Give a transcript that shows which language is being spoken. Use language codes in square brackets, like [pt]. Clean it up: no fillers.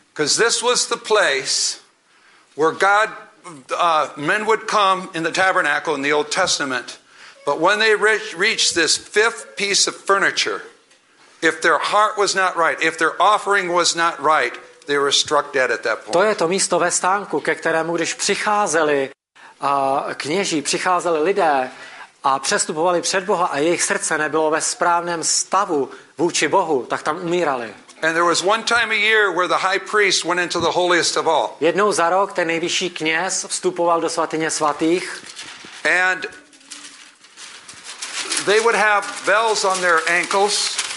[en] Because this was the place where God men would come in the tabernacle in the Old Testament, but when they reached this fifth piece of furniture, if their heart was not right, if their offering was not right, they were struck dead at that point. [cs] To je to místo ve stánku, ke kterému když přicházeli kněží, přicházeli lidé a přestupovali před Boha a jejich srdce nebylo ve správném stavu vůči Bohu, tak tam umírali. [en] And there was one time a year where the high priest went into the holiest of all. [cs] Jednou za rok ten nejvyšší kněz vstupoval do svatyně svatých. [en] And they would have bells on their ankles.